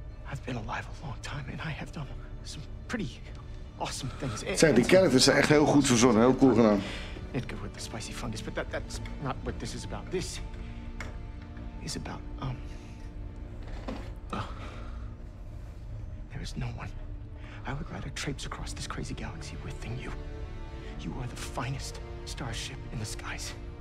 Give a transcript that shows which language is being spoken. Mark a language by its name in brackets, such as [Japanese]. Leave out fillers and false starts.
[English] I've been alive a long time and I have done some pretty awesome things. [Dutch] Zeg, die characters zijn echt heel goed verzonnen, heel cool gedaan. [English] It could with the spicy fungus, but that's not what this is about. This is about there is no one I would rather traipse across this crazy galaxy with than you. You are the finest starship in the skies.